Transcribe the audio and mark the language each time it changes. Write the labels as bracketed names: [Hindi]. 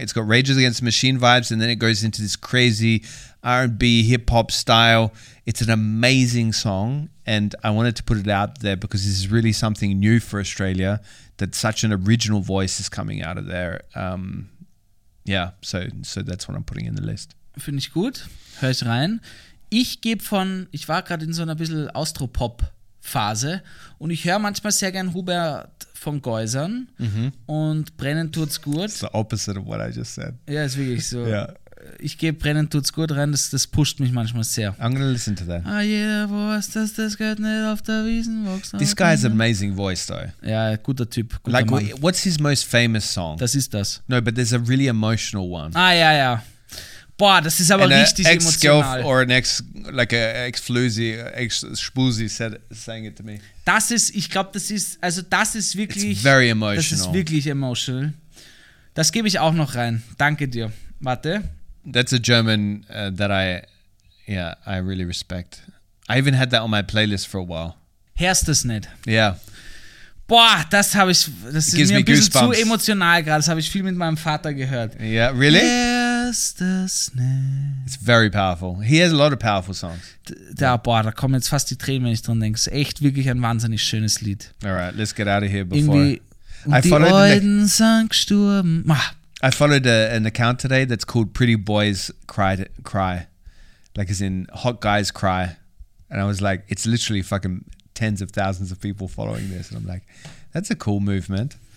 [English] It's got Rage Against Machine vibes, and then it goes into this crazy R&B hip hop style. It's an amazing song, and I wanted to put it out there because this is really something new for Australia, that such an original voice is coming out of there. So that's what I'm putting in the list. [German] Finde ich gut. Hör's rein. Ich war gerade in so einer bisschen Austropop Phase und ich höre manchmal sehr gern Hubert von Geusern und Brennen tut's gut. [English] It's the opposite of what I just said. [German] Ja, ist wirklich so. [English] Yeah. [German] Ich gebe Brennen tut's gut rein, das pusht mich manchmal sehr. [English] I'm gonna listen to that. [German] Ah, jeder weiß, dass das Geld nicht auf der Wiesn wächst. [English] This guy has amazing voice though. [German] Ja, guter Typ, guter Mann. Like, [English] what's his most famous song? [German] Das ist das. [English] No, but there's a really emotional one. [German] Ah, ja, ja. Boah, das ist aber and richtig emotional. [English] Or an ex, like a ex-Flusi, ex-Spusi said, sang it to me. [German] Das ist, ich glaube, das ist, also das ist wirklich... [English] It's very emotional. [German] Das ist wirklich emotional. Das gebe ich auch noch rein. Danke dir. Warte. [English] That's a German that I really respect. I even had that on my playlist for a while. [German] Hörst es nicht? [English] Yeah. [German] Boah, das habe ich, das ist mir ein bisschen zu emotional gerade. Das habe ich viel mit meinem Vater gehört. [English] Yeah, really? Yeah. It's very powerful. He has a lot of powerful songs. [German] Boah, da kommen jetzt fast die Tränen, wenn ich dran denke. Es ist echt wirklich ein wahnsinnig schönes Lied. [English] All right, let's get out of here before. [German] Und die Leuten sang Sturm. [English] I followed an account today that's called Pretty Boys Cry. Like as in Hot Guys Cry. And I was like, it's literally fucking tens of thousands of people following this. And I'm like, that's a cool movement.